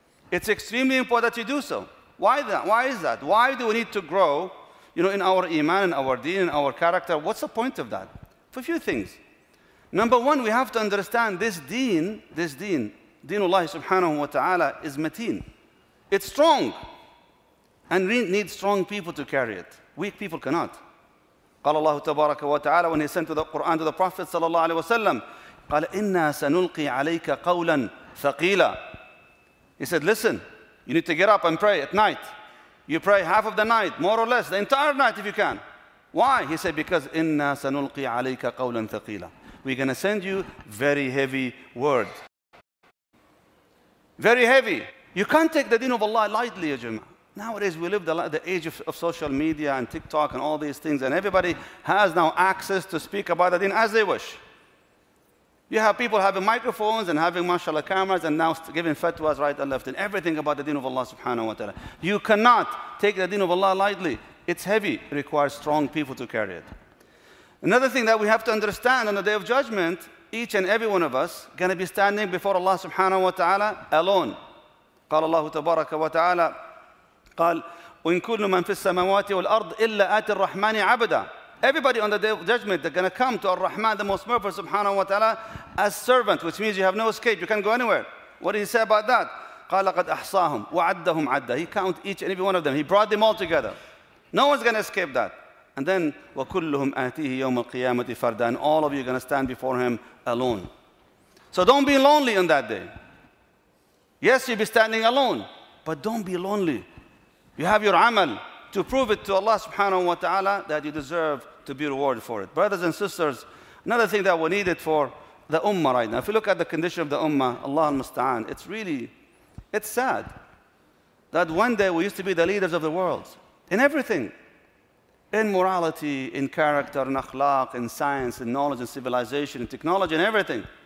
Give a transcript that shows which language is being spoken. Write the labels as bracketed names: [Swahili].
[English] It's extremely important that you do so. Why that? Why is that? Why do we need to grow, you know, in our iman, in our deen, in our character? What's the point of that? For a few things. Number one, we have to understand this deen, deenullah subhanahu wa ta'ala, is mateen. It's strong. And we need strong people to carry it. Weak people cannot. [Arabic] قال الله تبارك وتعالى [English] when he sent the Quran to the Prophet [Arabic] صلى الله عليه وسلم قال إنا سنلقي عليك قولا ثقيلا. [English] He said, listen, you need to get up and pray at night. You pray half of the night, more or less, the entire night if you can. Why? He said, because [Arabic] إنا سنلقي عليك قولا ثقيلا. [English] We're going to send you very heavy word. Very heavy. You can't take the deen of Allah lightly, ya jama'. Nowadays, we live the age of social media and TikTok and all these things, and everybody has now access to speak about the deen as they wish. You have people having microphones and having, mashallah, cameras and now giving fatwas right and left and everything about the deen of Allah subhanahu wa ta'ala. You cannot take the deen of Allah lightly. It's heavy. It requires strong people to carry it. Another thing that we have to understand on the Day of Judgment, each and every one of us going to be standing before Allah subhanahu wa ta'ala alone. [Arabic] قال الله تبارك وتعالى قال وإن كل من في السماوات والأرض إلا آت الرحمن عبدا. [English] Everybody on the Day of Judgment, they're going to come to Ar-Rahman, the most merciful subhanahu wa ta'ala, as servant, which means you have no escape, you can't go anywhere. What did he say about that? [Arabic] قال قد أحصاهم وعدهم عدا. [English] He count each and every one of them. He brought them all together. No one's going to escape that. And then [Arabic] وكلهم آتيه يوم القيامة فردا. [English] And all of you are going to stand before him alone. So don't be lonely on that day. Yes, you'll be standing alone, but don't be lonely. You have your amal to prove it to Allah subhanahu wa ta'ala that you deserve to be rewarded for it. Brothers and sisters, another thing that we need it for the ummah right now. If you look at the condition of the ummah, Allah al-musta'an, it's sad that one day we used to be the leaders of the world in everything, in morality, in character, in akhlaq, in science, in knowledge, in civilization, in technology, in everything.